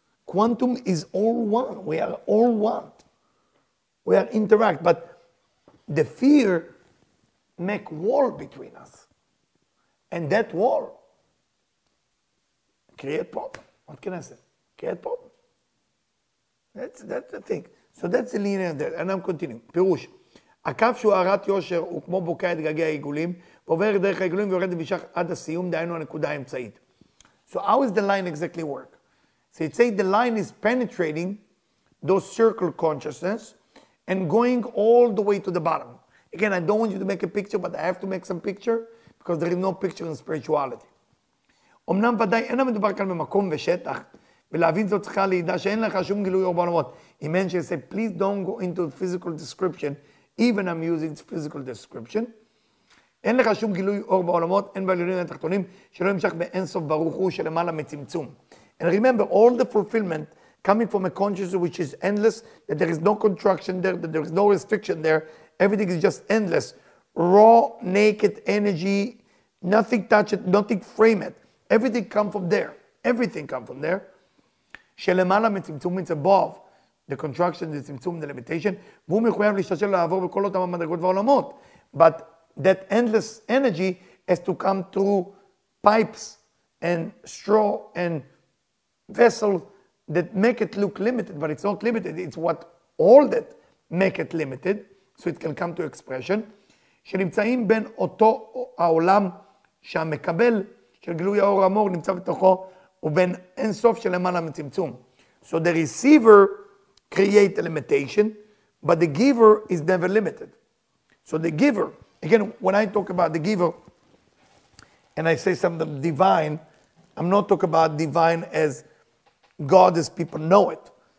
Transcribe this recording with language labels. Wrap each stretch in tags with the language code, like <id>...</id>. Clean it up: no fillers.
<en>Quantum is all one. We are all one. We are interact, but the fear make wall between us. And that wall create problem. What can I say? Create problem. That's the thing. So that's the linear there. And I'm continuing. Pirush.</en> <he>הקו שהוא הרת יושר הוא כמו בוקע את גגי העיגולים, ועובר דרך העיגולים ויורד למשך עד הסיום, דהיינו הנקודה האמצעית.</he> <en>So how is the line exactly work? So it says the line is penetrating those circle consciousness and going all the way to the bottom. Again, I don't want you to make a picture, but I have to make some picture because there is no picture in spirituality.</en> <he>אמנם ודאי אינה מדובר כאן במקום ושטח, ולהבין זאת צריכה להידע שאין לך שום גילוי או בעולמות. אם אין שאני אומר,</he> <en>please don't go into the physical description, even I'm using the physical description.</en> <he>אין לך שום גילוי אור בעולמות, אין בעליונים התחתונים, שלא ימשך באינסוף ברוך הוא שלמעלה מצמצום.</he> <en>And remember, all the fulfillment coming from a consciousness which is endless, that there is no contraction there, that there is no restriction there, everything is just endless. Raw, naked energy, nothing touch it, nothing frame it. Everything comes from there. Everything comes from there.</en> <he>שלמעלה מצמצום,</he> <en>it's above. The contraction, the symptom, the limitation.</en> <he>והוא מחויב להשתשל לעבור בכל אותם המדרגות והעולמות.</he> <en>But that endless energy has to come through pipes and straw and vessels that make it look limited, but it's not limited. It's what all that make it limited, so it can come to expression.</en> <he>שנמצאים בין אותו העולם שהמקבל של גילוי האור האמור נמצא בתוכו ובין אין סוף של למעלה מצמצום.</he> <en>So the receiver create a limitation, but the giver is never limited. So the giver, again, when I talk about the giver, and I say something divine, I'm not talking about divine as God as people know it.</en>